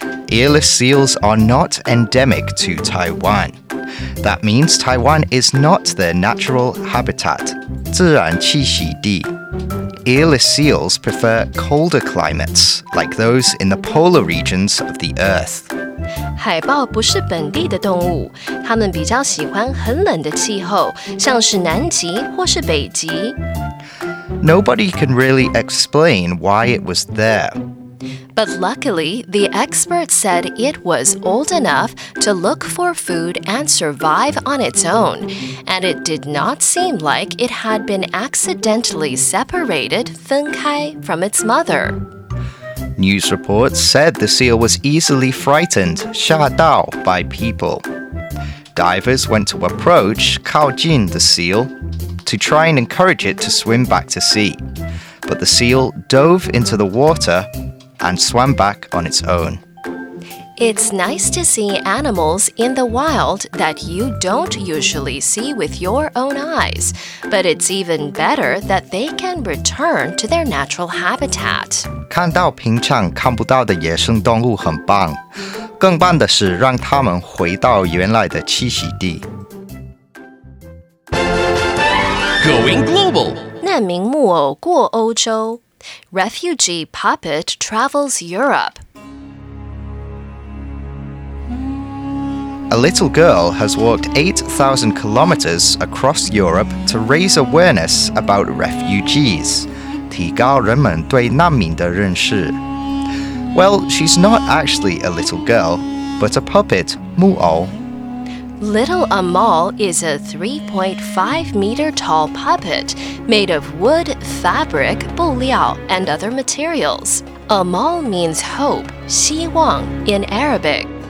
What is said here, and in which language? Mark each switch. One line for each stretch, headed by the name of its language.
English: Earless seals are not endemic to Taiwan. That means Taiwan is not their natural habitat, 自然栖息地. Earless seals prefer colder climates, like those in the polar regions of the Earth.
Chinese: 海豹不是本地的动物，它们比较喜欢很冷的气候，像是南极或是北极。
English: Nobody can really explain why it was there. But luckily, the experts said it was old enough to look for food and survive on its own, and it did not seem like it had been accidentally separated, 分开, from its mother. News reports said the seal was easily frightened, 吓到, by people. Divers went to approach, 靠近 the seal, to try and encourage it to swim back to sea. But the seal dove into the water and swam back on its own. It's nice to see animals in the wild that you don't usually see with your own eyes, but it's even better that they can return to their natural habitat.
Chinese: 看到平常看不到的野生动物很棒，更棒的是让它们回到原来的栖息地。
English: Going global，
Chinese: 难民木偶过欧洲 ，
English: Refugee puppet travels Europe。 A little girl has walked 8,000 kilometers across Europe to raise awareness about refugees.
Chinese: 提高人们对难民的认识。
English: Well, she's not actually a little girl, but a puppet, 木偶。 Little Amal is a 3.5-meter tall puppet made of wood, fabric, 布料, and other materials. Amal means hope, 希望, in Arabic.